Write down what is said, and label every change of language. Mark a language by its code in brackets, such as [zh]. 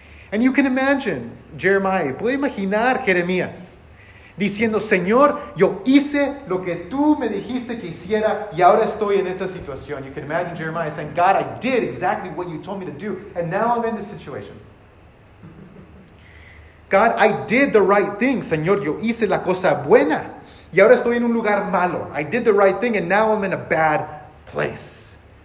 [en] And you can imagine Jeremiah, [es] puede imaginar Jeremías, diciendo, Señor, yo hice lo que tú me dijiste que hiciera y ahora estoy en esta situación. [en] You can imagine Jeremiah saying, God, I did exactly what you told me to do and now I'm in this situation. God, I did the right thing. [es] Señor, yo hice la cosa buena y ahora estoy en un lugar malo. [en] I did the right thing and now I'm in a bad place.